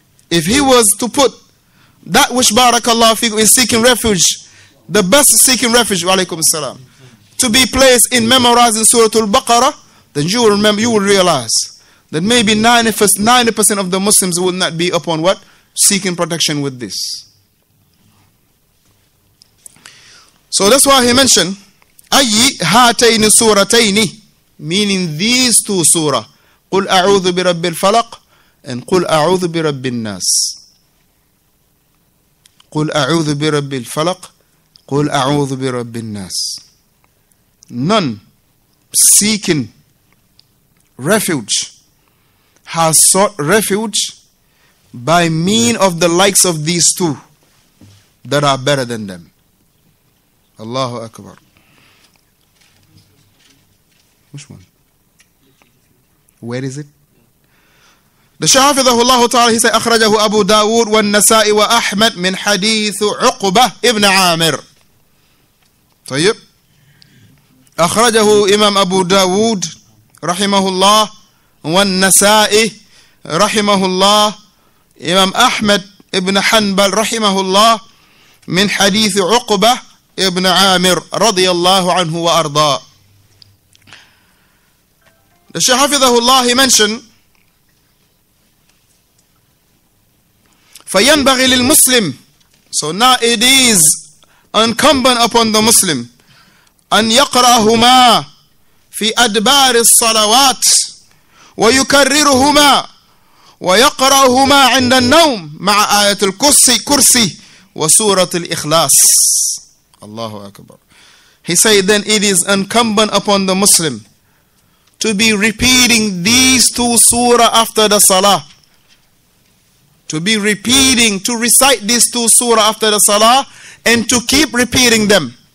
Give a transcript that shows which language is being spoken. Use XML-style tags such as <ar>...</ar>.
<en>If he was to put that which barakallahu fikum is seeking refuge, the best seeking refuge, alaykum salam, to be placed in memorizing surah al-Baqarah, then you will remember, you will realize that maybe 90% of the Muslims will not be upon what? Seeking protection with this. So that's why he mentioned,</en> <ar>أَيِّ هَاتَيْنِ سُورَتَيْنِ,</ar> <en>meaning these two surah,</en> <ar>قُلْ أَعُوذُ بِرَبِّ الْفَلَقِ and قُلْ أَعُوذُ بِرَبِّ النَّاسِ. قل أعوذ برب الفلق، قل أعوذ برب الناس.</ar> <en>None seeking refuge has sought refuge by mean of the likes of these two that are better than them.</en> <ar>Allahu Akbar.</ar> <en>Which one? Where is it? The Shafi'i, Allah Ta'ala, he said,</en> <ar>أخرجه أبو داود والنسائي وأحمد من حديث عقبة ابن عامر. طيب. أخرجه إمام أبو داود رحمه الله والنسائي رحمه الله إمام أحمد ابن حنبل رحمه الله من حديث عقبة ابن عامر رضي الله عنه وأرضاه.</ar> <en>The Shaykh Hafidhahullah, he mentioned,</en> <ar>فَيَنْبَغِي لِلْمُسْلِمِ.</ar> <en>So now it is incumbent upon the Muslim</en> <ar>أَنْ يَقْرَأَهُمَا فِي أَدْبَارِ الصَّلَوَاتِ وَيُكَرِّرُهُمَا وَيَقْرَأُهُمَا عِنْدَ النَّوْمِ مَعَ آيَةِ الْكُرْسِي وَسُورَةِ الْإِخْلَاسِ. Allahu Akbar.</ar> <en>He said, then it is incumbent upon the Muslim to be repeating these two surah after the salah. To be repeating, to recite these two surah after the salah, and to keep repeating them.</en>